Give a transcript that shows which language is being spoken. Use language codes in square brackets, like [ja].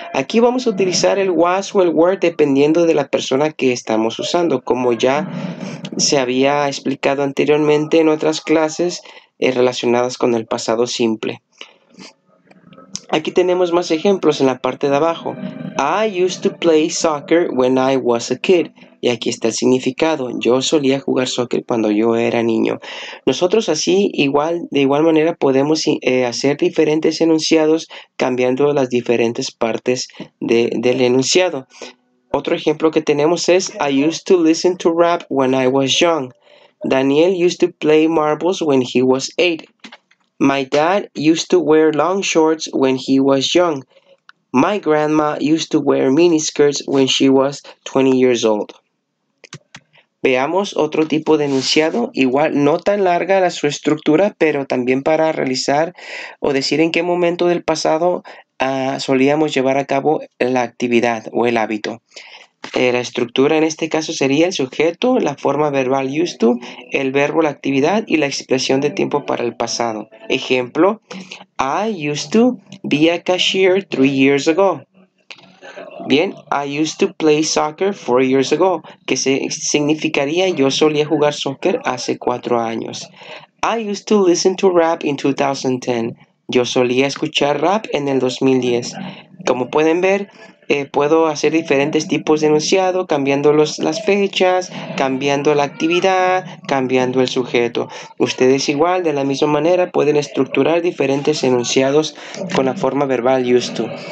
[es] Aquí vamos a utilizar el was o el were dependiendo de la persona que estamos usando. Como ya se había explicado anteriormente en otras clases relacionadas con el pasado simple. Aquí tenemos más ejemplos en la parte de abajo. [en] I used to play soccer when I was a kid. [es] Y aquí está el significado. Yo solía jugar soccer cuando yo era niño. Nosotros así, igual, de igual manera, podemos hacer diferentes enunciados cambiando las diferentes partes del enunciado. Otro ejemplo que tenemos es [en] I used to listen to rap when I was young. Daniel used to play marbles when he was 8. My dad used to wear long shorts when he was young. My grandma used to wear miniskirts when she was 20 years old. [es] Veamos otro tipo de enunciado, igual no tan larga la su estructura, pero también para realizar o decir en qué momento del pasado solíamos llevar a cabo la actividad o el hábito. La estructura en este caso sería el sujeto, la forma verbal used to, el verbo, la actividad y la expresión de tiempo para el pasado. [en] Ejemplo, I used to be a cashier 3 years ago. [es] Bien, [en] I used to play soccer 4 years ago, [es] que significaría yo solía jugar soccer hace 4 años. [en] I used to listen to rap in 2010. [es] Yo solía escuchar rap en el 2010. Como pueden ver, puedo hacer diferentes tipos de enunciado, cambiando las fechas, cambiando la actividad, cambiando el sujeto. Ustedes igual, de la misma manera, pueden estructurar diferentes enunciados con la forma verbal used to.